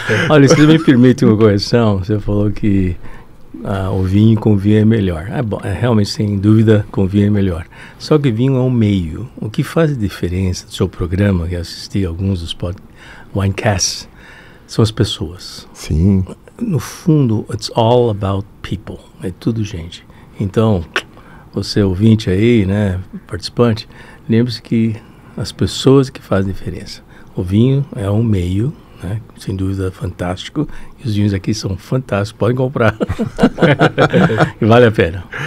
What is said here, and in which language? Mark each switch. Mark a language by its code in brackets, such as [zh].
[pt] Olha, se você me permite uma correção, você falou que o vinho com vinho é melhor. Realmente, sem dúvida, com vinho é melhor. Só que vinho é um meio. O que faz a diferença do seu programa, que assisti a alguns dos Winecasts, são as pessoas. Sim. No fundo, [en] it's all about people. [pt] É tudo gente. Então, você ouvinte aí, né, participante, lembre-se que as pessoas que fazem diferença. O vinho é um meio, né, sem dúvida fantástico. E os vinhos aqui são fantásticos, podem comprar. E vale a pena.